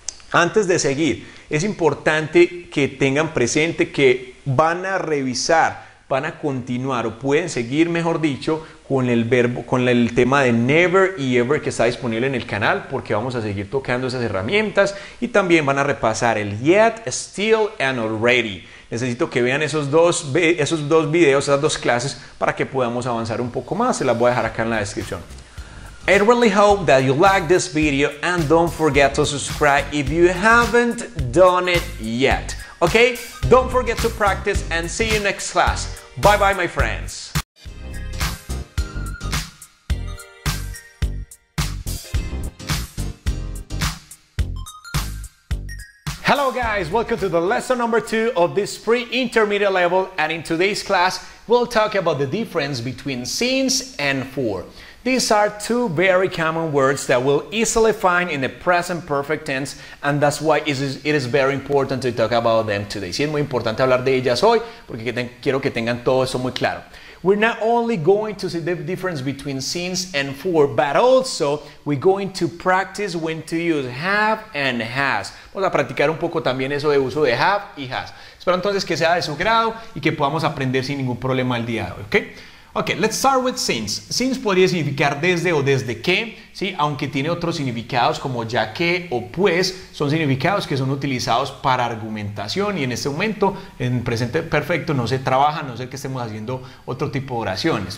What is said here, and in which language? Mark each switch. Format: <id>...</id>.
<es>Antes de seguir, es importante que tengan presente que van a revisar, van a continuar o pueden seguir, mejor dicho, con el verbo, con el tema de never y ever que está disponible en el canal, porque vamos a seguir tocando esas herramientas, y también van a repasar el yet, still and already. Necesito que vean esos dos videos, esas dos clases, para que podamos avanzar un poco más. Se las voy a dejar acá en la descripción.</es> <en>I really hope that you like this video and don't forget to subscribe if you haven't done it yet. Okay? Don't forget to practice and see you next class. Bye bye, my friends. Hello guys, welcome to the lesson number 2 of this pre-intermediate level, and in today's class we'll talk about the difference between since and for. These are two very common words that we'll easily find in the present perfect tense, and that's why it is very important to talk about them today. Sí, es muy importante hablar de ellas hoy porque quiero que tengan todo eso muy claro. We're not only going to see the difference between since and for, but also we're going to practice when to use have and has.</en> <es>Vamos a practicar un poco también eso de uso de have y has. Espero entonces que sea de su grado y que podamos aprender sin ningún problema el día de hoy, ¿ok? Ok, let's start with since. Since podría significar desde o desde que, ¿sí? Aunque tiene otros significados como ya que o pues, son significados que son utilizados para argumentación, y en este momento, en presente perfecto, no se trabaja, a no ser que estemos haciendo otro tipo de oraciones.</es>